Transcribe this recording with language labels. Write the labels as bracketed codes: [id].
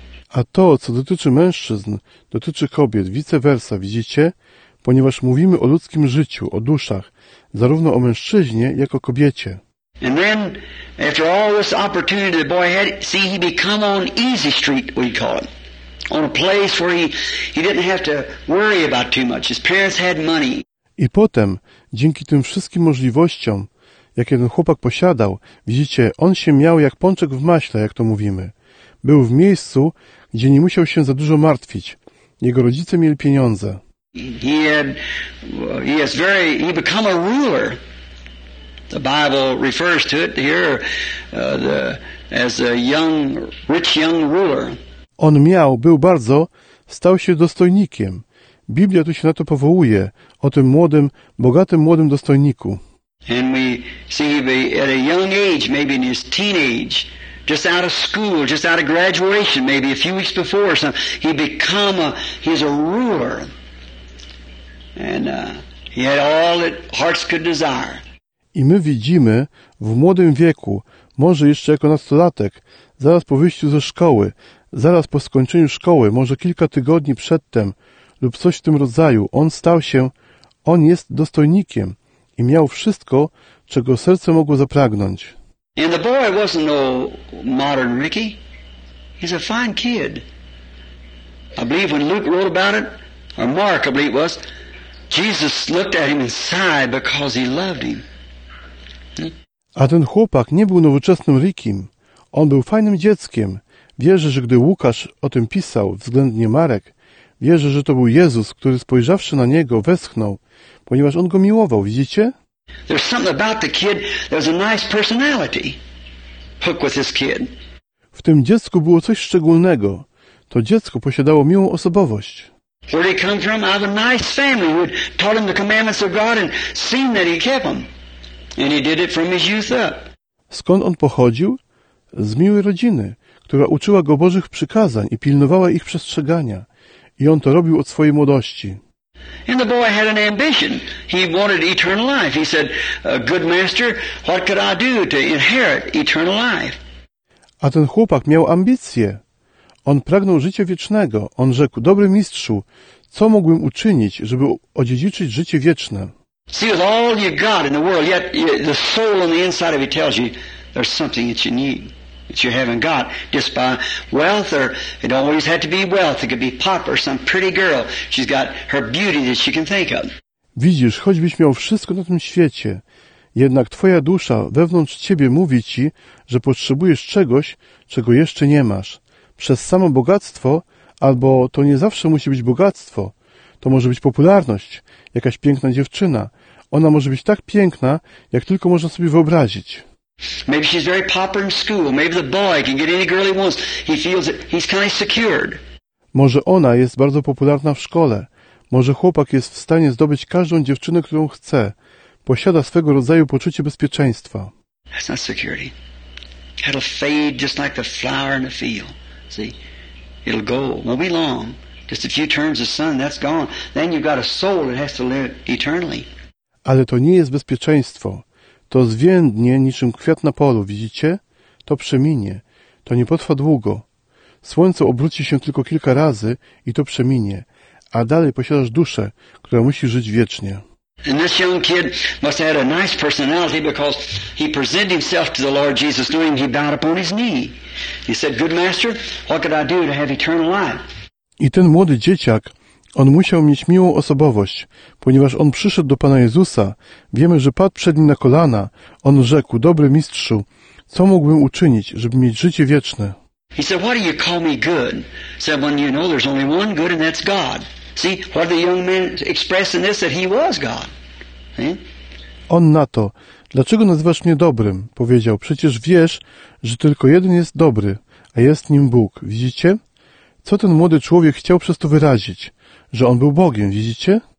[pl] A to, co dotyczy mężczyzn, dotyczy kobiet, vice versa, widzicie? Ponieważ mówimy o ludzkim życiu, o duszach, zarówno o mężczyźnie, jak o kobiecie. [en] And then, after all this opportunity the boy had, see, he become on easy street, we call it. On a place where he didn't have to worry about too much. His parents had money. [pl] I potem, dzięki tym wszystkim możliwościom, jakie ten chłopak posiadał, widzicie, on się miał jak pączek w maśle, jak to mówimy. Był w miejscu, gdzie nie musiał się za dużo martwić. Jego rodzice mieli pieniądze. [en] He become a ruler. The Bible refers to it here as a young, rich young ruler. [pl] On miał, był bardzo, stał się dostojnikiem. Biblia tu się na to powołuje, o tym młodym, bogatym młodym dostojniku. [en] And we see him at a young age, maybe in his teenage, just out of school, just out of graduation, maybe a few weeks before, so he become he's a ruler. And he had all that hearts could desire. [pl] I my widzimy w młodym wieku, może jeszcze jako nastolatek, zaraz po wyjściu ze szkoły, Zaraz po skończeniu szkoły, może kilka tygodni przedtem lub coś w tym rodzaju, on jest dostojnikiem i miał wszystko, czego serce mogło zapragnąć. [en] And the boy wasn't no modern Ricky. He's a fine kid. I believe when Luke wrote about it, or Mark, I believe it was, Jesus looked at him and sighed because he loved him. [pl] A ten chłopak nie był nowoczesnym Rickiem. On był fajnym dzieckiem. Wierzę, że gdy Łukasz o tym pisał, względnie Marek, wierzę, że to był Jezus, który spojrzawszy na niego, westchnął, ponieważ on go miłował, widzicie? [en] There's something about the kid. There's a nice personality. Hook with this kid. [pl] W tym dziecku było coś szczególnego. To dziecko posiadało miłą osobowość. [en] Where did he come from? Out of a nice family who taught him the commandments of God and seen that he kept them. And he did it from his youth up. [pl] Skąd on pochodził? Z miłej rodziny, która uczyła go Bożych przykazań i pilnowała ich przestrzegania. I on to robił od swojej młodości. [en] And the boy had an ambition. He wanted eternal life. He said, good master, what could I do to inherit eternal life? [pl] A ten chłopak miał ambicje. On pragnął życia wiecznego. On rzekł, dobry mistrzu, co mógłbym uczynić, żeby odziedziczyć życie wieczne? [en] See, with all you got in the world, yet the soul on the inside of you tells you there's something that you need, that you haven't got, just by wealth, or it always had to be wealth. It could be pop or some pretty girl. She's got her beauty that she can think of. [pl] Widzisz, choćbyś miał wszystko na tym świecie, jednak twoja dusza wewnątrz ciebie mówi ci, że potrzebujesz czegoś, czego jeszcze nie masz. Przez samo bogactwo, albo to nie zawsze musi być bogactwo, to może być popularność, jakaś piękna dziewczyna. Ona może być tak piękna, jak tylko można sobie wyobrazić. [en] Maybe she's very popular in school. Maybe the boy can get any girl he wants. He feels that he's kind of secured. [pl] Może ona jest bardzo popularna w szkole. Może chłopak jest w stanie zdobyć każdą dziewczynę, którą chce. Posiada swego rodzaju poczucie bezpieczeństwa. [en] That's not security. It'll fade just like the flower in the field. See? It'll go. Won't be long. Just a few turns of sun, that's gone. Then you've got a soul that has to live eternally. [pl] Ale to nie jest bezpieczeństwo. To zwiędnie niczym kwiat na polu, widzicie? To przeminie. To nie potrwa długo. Słońce obróci się tylko kilka razy i to przeminie. A dalej posiadasz duszę, która musi żyć wiecznie. [en] And this young kid must have had a nice personality because he presented himself to the Lord Jesus knowing he bowed upon his knee. He said, good master, what could I do to have eternal life? [pl] I ten młody dzieciak, on musiał mieć miłą osobowość, ponieważ on przyszedł do Pana Jezusa. Wiemy, że padł przed nim na kolana. On rzekł, dobry mistrzu, co mógłbym uczynić, żeby mieć życie wieczne? [en] He said, what do you call me good? He said, when you know there's only one good and that's God. See, what the young man expressed in this, that he was God. [pl] On na to, dlaczego nazywasz mnie dobrym? Powiedział, przecież wiesz, że tylko jeden jest dobry, a jest nim Bóg. Widzicie? Co ten młody człowiek chciał przez to wyrazić? Że on był Bogiem, widzicie?